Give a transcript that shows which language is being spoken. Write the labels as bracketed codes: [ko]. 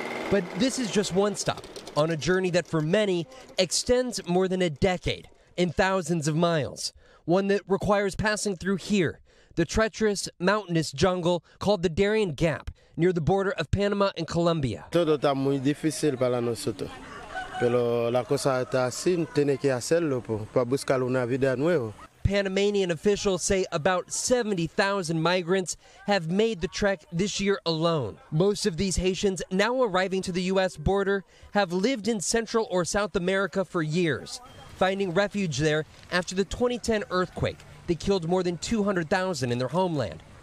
[en] But this is just one stop on a journey that for many extends more than a decade in thousands of miles, one that requires passing through here, the treacherous mountainous jungle called the Darien Gap near the border of Panama and Colombia. [es] Todo está muy difícil para nosotros. Pero la cosa está así, tiene que hacerlo para buscar una vida nueva. [en] Panamanian officials say about 70,000 migrants have made the trek this year alone. Most of these Haitians now arriving to the U.S. border have lived in Central or South America for years, finding refuge there after the 2010 earthquake that killed more than 200,000 in their homeland.